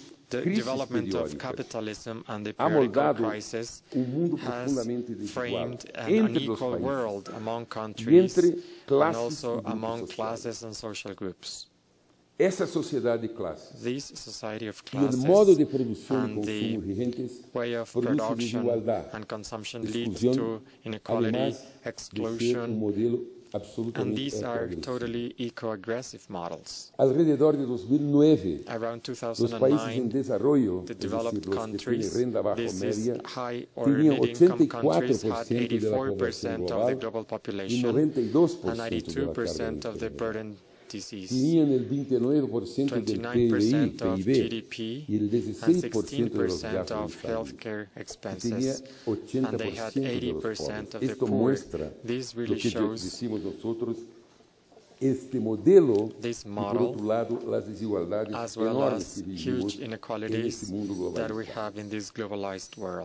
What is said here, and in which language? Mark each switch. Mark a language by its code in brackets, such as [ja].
[en] The development of capitalism and the periodic crisis has framed an unequal world among countries and also among classes and social groups. [es] Esa sociedad de clases, [en] this society of classes, [es] y el modo de producción y consumo vigentes, [en] way of production and consumption lead to inequality, exclusion, and these are totally eco-aggressive models. [es] Alrededor de 2009, [en] around 2009, the developed countries, this is high or mid-income countries, had 84% of the global population and 92% of the burden [es] tenían el 29% del PIB y el 16% de los gastos de salud. Tenían 80% de los pobres. Esto muestra lo que decimos nosotros. Este modelo, por otro lado, las desigualdades enormes que vivimos en este mundo globalizado.